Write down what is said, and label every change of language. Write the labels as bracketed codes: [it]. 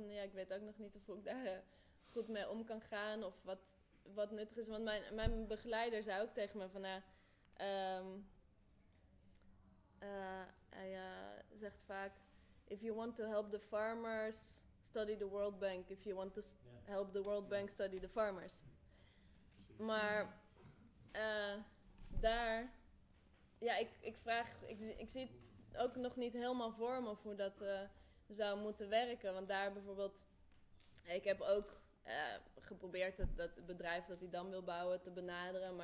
[nl] Van, ja, ik weet ook nog niet of ik daar goed mee om kan gaan of wat nuttig is. Want mijn begeleider zei ook tegen me van, hij zegt vaak, [en] if you want to help the farmers, study the World Bank. If you want to help the World Bank, study the farmers. [nl] Maar daar, ja, ik zie het ook nog niet helemaal voor me of hoe dat zou moeten werken. Want daar bijvoorbeeld, ik heb ook geprobeerd dat bedrijf dat die dam wil bouwen te benaderen.